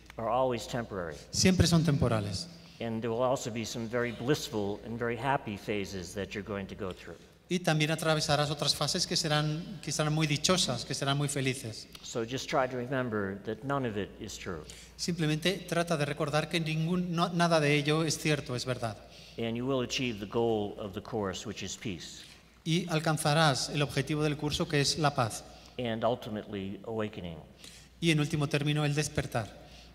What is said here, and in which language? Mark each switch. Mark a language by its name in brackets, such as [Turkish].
[English] are always temporary. [Spanish] Siempre son temporales. [English] And there will also be some very blissful and very happy phases that you're going to go through. [Spanish] Y también atravesarás otras fases que serán muy dichosas, que serán muy felices. [English] So just try to remember that none of it is true. [Spanish] Simplemente trata de recordar que nada de ello es cierto, es verdad. [English] And you will achieve the goal of the course, which is peace. [Spanish] Y alcanzarás el objetivo del curso, que es la paz. [English] And ultimately, awakening. [Spanish] Y en último término, el despertar.